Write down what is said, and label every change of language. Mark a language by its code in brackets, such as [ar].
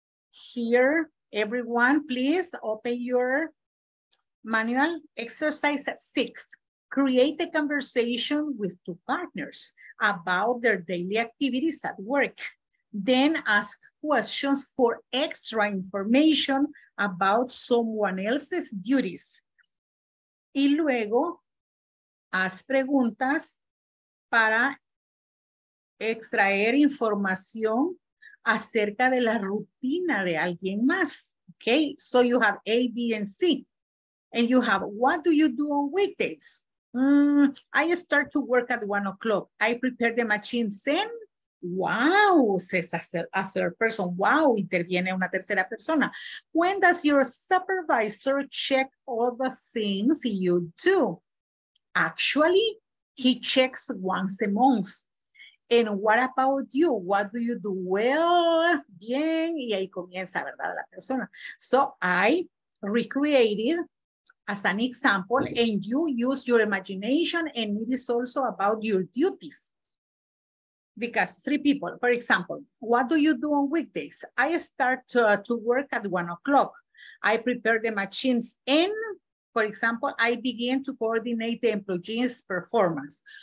[en] Here, everyone, please open your manual. Exercise 6, create a conversation with two partners about their daily activities at work. Then ask questions for extra information about someone else's duties. [es] Y luego, haz preguntas para extraer información acerca de la rutina de alguien más. [en] Okay, so you have A, B, and C. And you have, what do you do on weekdays? I start to work at 1 o'clock. I prepare the machines in. Wow, says a third person. [es] Wow, interviene una tercera persona. [en] When does your supervisor check all the things you do? Actually, he checks once a month. And what about you? What do you do? [es] Well, bien, y ahí comienza, ¿verdad?, la persona. [en] So I recreated as an example, and you use your imagination, and it is also about your duties. Because three people, for example, what do you do on weekdays? I start to work at 1 o'clock. I prepare the machines and, for example, I begin to coordinate the employees' performance.